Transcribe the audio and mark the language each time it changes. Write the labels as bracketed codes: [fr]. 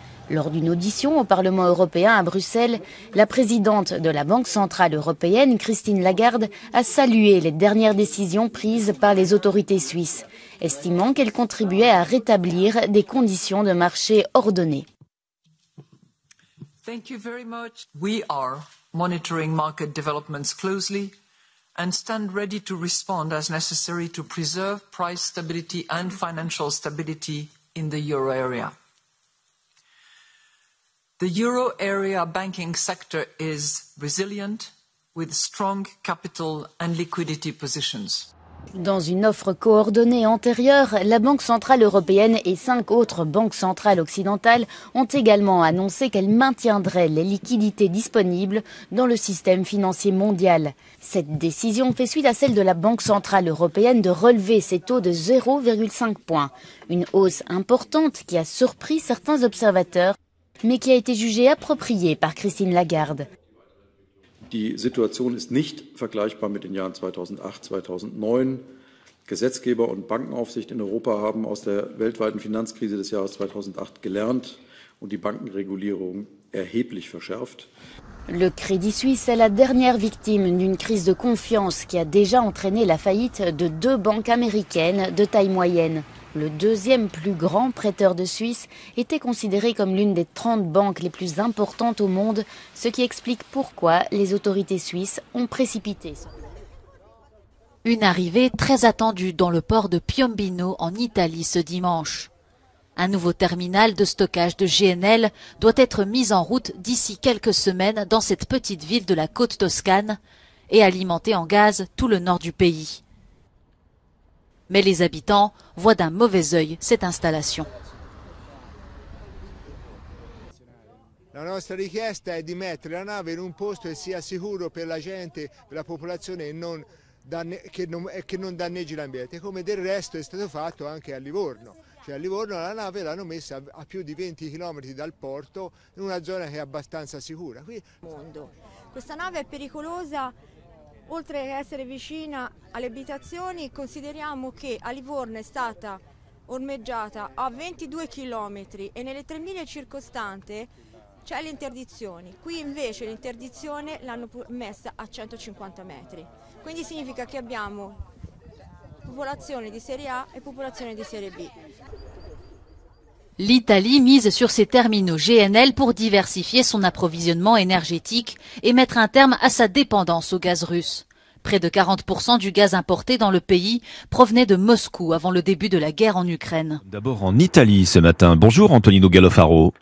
[fr] Lors d'une audition au Parlement européen à Bruxelles, la présidente de la Banque centrale européenne, Christine Lagarde, a salué les dernières décisions prises par les autorités suisses, estimant qu'elles contribuaient à rétablir des conditions de marché ordonnées. [en] Thank you very much. We are monitoring market developments closely and stand ready to respond as necessary to preserve price stability and financial stability in the euro area. The euro area banking sector is resilient with strong capital and liquidity positions. [fr] Dans une offre coordonnée antérieure, la Banque centrale européenne et cinq autres banques centrales occidentales ont également annoncé qu'elles maintiendraient les liquidités disponibles dans le système financier mondial. Cette décision fait suite à celle de la Banque centrale européenne de relever ses taux de 0,5 points. Une hausse importante qui a surpris certains observateurs, mais qui a été jugée appropriée par Christine Lagarde. [de] Die Situation ist nicht vergleichbar mit den Jahren 2008-2009. Gesetzgeber und Bankenaufsicht in Europa haben aus der weltweiten Finanzkrise des Jahres 2008 gelernt und die Bankenregulierung erheblich verschärft. [fr] Le Crédit Suisse est la dernière victime d'une crise de confiance qui a déjà entraîné la faillite de deux banques américaines de taille moyenne. Le deuxième plus grand prêteur de Suisse était considéré comme l'une des 30 banques les plus importantes au monde, ce qui explique pourquoi les autorités suisses ont précipité. Une arrivée très attendue dans le port de Piombino en Italie ce dimanche. Un nouveau terminal de stockage de GNL doit être mis en route d'ici quelques semaines dans cette petite ville de la côte toscane et alimenter en gaz tout le nord du pays. Mais les habitants voient d'un mauvais œil cette installation. [it] La nostra richiesta è di mettere la nave in un posto che sia sicuro per la gente, per la popolazione e non che non danneggi l'ambiente, come del resto è stato fatto anche a Livorno. Cioè a Livorno la nave l'hanno messa a più di 20 km dal porto, in una zona che è abbastanza sicura. Mondo. Questa nave è pericolosa. Oltre ad essere vicina alle abitazioni, consideriamo che a Livorno è stata ormeggiata a 22 km e nelle 3.000 circostanti c'è l'interdizione. Qui invece l'interdizione l'hanno messa a 150 metri. Quindi significa che abbiamo popolazione di serie A e popolazione di serie B. [fr] L'Italie mise sur ses terminaux GNL pour diversifier son approvisionnement énergétique et mettre un terme à sa dépendance au gaz russe. Près de 40% du gaz importé dans le pays provenait de Moscou avant le début de la guerre en Ukraine. D'abord en Italie ce matin. Bonjour Antonino Gallofaro.